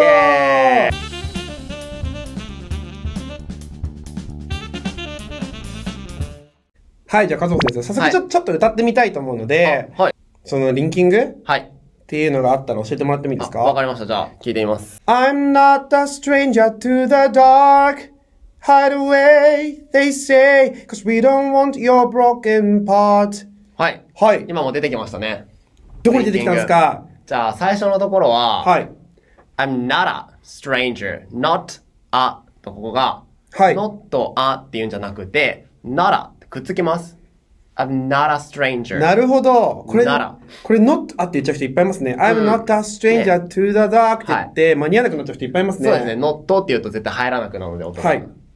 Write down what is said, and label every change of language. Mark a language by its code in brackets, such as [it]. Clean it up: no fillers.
[ja] イエーイ。はい、じゃあ和夫先生、早速ちょっと歌ってみたいと思うので、はい、そのリンキング、はい、っていうのがあったら教えてもらってもいいですか？わかりました。じゃあ聞いてみます。 [en] I'm not a stranger to the dark. Hide away, they say, 'cause we don't want your broken part. [ja] はい。はい。今も出てきましたね。どこに出てきたんですか？じゃあ最初のところは、はい。 [en] I'm not a stranger, not a [ja] とここが、はい。 not a っていうんじゃなくて、not a ってくっつきます。 [en] I'm not a stranger. [ja] なるほど。これ not って言っちゃう人いっぱいいますね。 [en] I'm not a stranger、 [ja] うん、 [en] to the dark [ja] って言って、はい、間に合わなくなっちゃう人いっぱいいますね。そうですね。 not って言うと絶対入らなくなるので、音が。はい。